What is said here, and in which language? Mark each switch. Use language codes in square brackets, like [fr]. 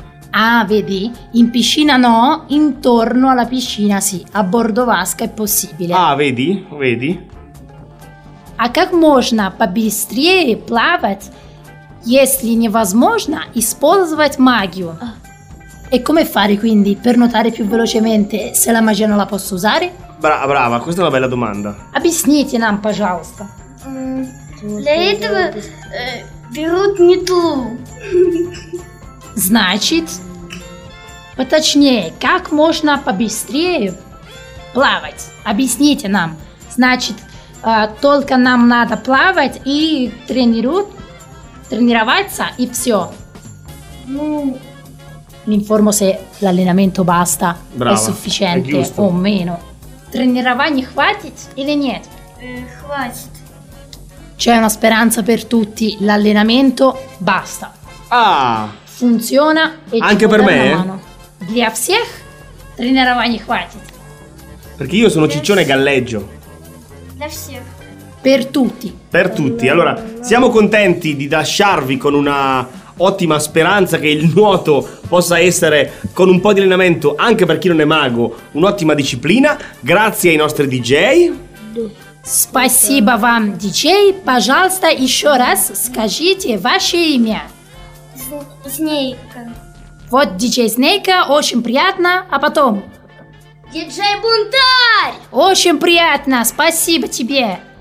[it] Ah, vedi? In piscina no, intorno alla piscina sì, a bordo vasca è possibile. Ah, vedi? Vedi? [ru] А как можно побыстрее плавать, если невозможно использовать магию? [it] E come fare quindi per nuotare più velocemente se la magia non la posso usare? Brava, questa è una bella domanda. [ru] Объясните нам, пожалуйста. Для этого берут метлу. Значит, поточнее, как можно побыстрее плавать? Объясните нам. Значит, только нам надо плавать и тренироваться, и все. [it] Mi informo se l'allenamento basta, brava, è sufficiente o meno. [ru] Тренирование хватит или нет? Хватит. [it] C'è una speranza per tutti, l'allenamento basta. Ah! Funziona e anche per me? [ru] Для всех тренирование хватит. [it] Perché io sono ciccione e galleggio. [ru] Для всех. [it] Per tutti. Per tutti. Allora, siamo contenti di lasciarvi con una ottima speranza che il nuoto possa essere, con un po' di allenamento, anche per chi non è mago, un'ottima disciplina. Grazie ai nostri DJ. [ru] Спасибо вам, диджей. Пожалуйста, еще раз скажите ваше имя. Змейка. Вот диджей Змейка, очень приятно. А потом? Диджей Бунтарь. Очень приятно, спасибо тебе.